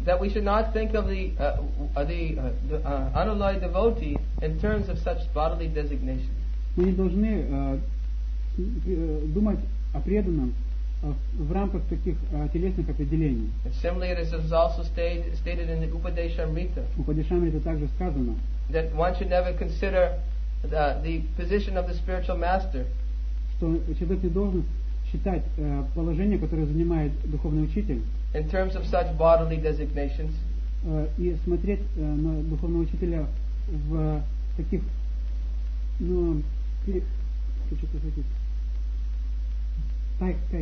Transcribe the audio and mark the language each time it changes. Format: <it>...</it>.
<en>That we should not think of the unalloyed devotee in terms of such bodily designations.</en> <ru>Мы не должны думать о преданном в рамках таких телесных определений.</ru> <en>And similarly, it is also stated in the Upadeshamrita.</en> <ru>Упадешамрита также сказано.</ru> <en>That one should never consider the position of the spiritual master.</en> <ru>Что человек не должен считать положение, которое занимает духовный учитель.</ru> <en>In terms of such bodily designations.</en> <ru>И смотреть на духовного учителя в таких, ну, хочу сказать.</ru>